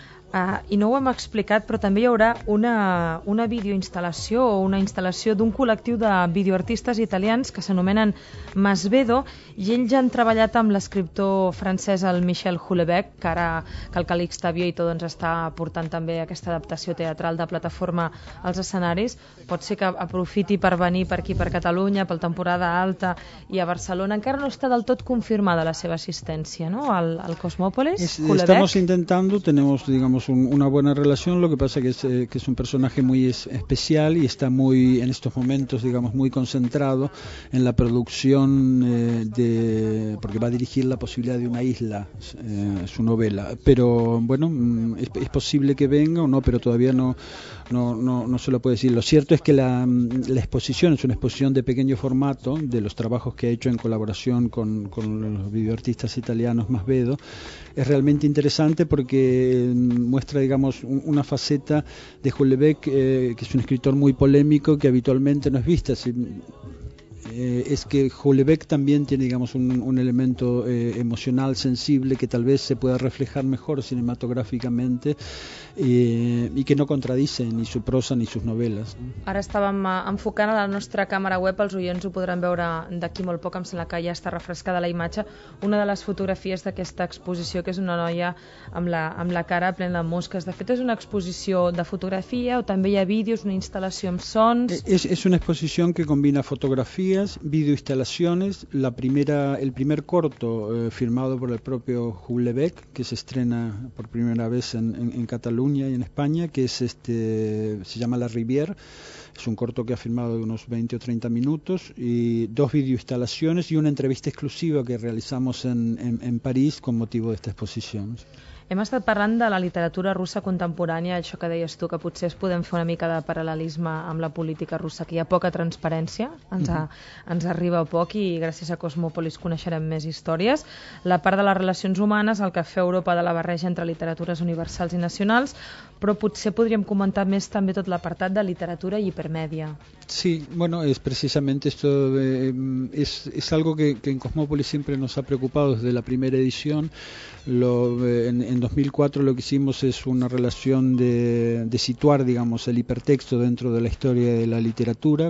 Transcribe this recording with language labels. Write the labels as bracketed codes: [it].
[ca] I no ho hem explicat, però també hi haurà una videoinstal·lació o una instal·lació d'un col·lectiu de videoartistes italians que s'anomenen Masvedo, i ells ja han treballat amb l'escriptor francès el Michel Houellebecq, que ara que el Calixte Vieito doncs, està portant també aquesta adaptació teatral de Plataforma als escenaris. Pot ser que aprofiti per venir per aquí, per Catalunya, pel Temporada Alta i a Barcelona. Encara no està del tot confirmada la seva assistència, no?, al Cosmópolis. [es] Estamos intentando, tenemos, digamos, una buena relación, lo que pasa que es un personaje muy especial y está muy, en estos momentos, digamos, muy concentrado en la producción porque va a dirigir La posibilidad de una isla, su novela. Pero, bueno, es posible que venga o no, pero todavía no se lo puede decir. Lo cierto es que la exposición es una exposición de pequeño formato de los trabajos que ha hecho en colaboración con los videoartistas italianos Masvedo. Es realmente interesante porque muestra, digamos, una faceta de Houellebecq, que es un escritor muy polémico, que habitualmente no es vista. Es que Houellebecq también tiene, digamos, un elemento emocional sensible que tal vez se pueda reflejar mejor cinematográficamente y que no contradice ni su prosa ni sus novelas. [ca] Ara estàvem enfocant a la nostra càmera web, els oients ho podran veure d'aquí molt poc, em sembla que ja està refrescada la imatge, una de les fotografies d'aquesta exposició, que és una noia amb la cara plena de mosques. De fet, és una exposició de fotografia o també hi ha vídeos, una instal·lació amb sons? És una exposició que combina fotografia, [es] videoinstalaciones, el primer corto firmado por el propio Houellebecq, que se estrena por primera vez en Cataluña y en España, que es este, se llama La Rivière. Es un corto que ha filmado de unos 20 o 30 minutos, y dos videoinstalaciones y una entrevista exclusiva que realizamos en París con motivo de esta exposición. [ca] Hem estat parlant de la literatura russa contemporània, això que deies tu, que potser es podem fer una mica de paral·lelisme amb la política russa, que hi ha poca transparència, ens arriba poc, i gràcies a Cosmópolis coneixerem més històries. La part de les relacions humanes, el que fa Europa de la barreja entre literatures universals i nacionals, però potser podríem comentar més també tot l'apartat de literatura i hipermèdia. [es] Sí, bueno, es precisamente esto, es algo que en Cosmópolis siempre nos ha preocupado desde la primera edición. En 2004 lo que hicimos es una relación de situar, digamos, el hipertexto dentro de la historia de la literatura.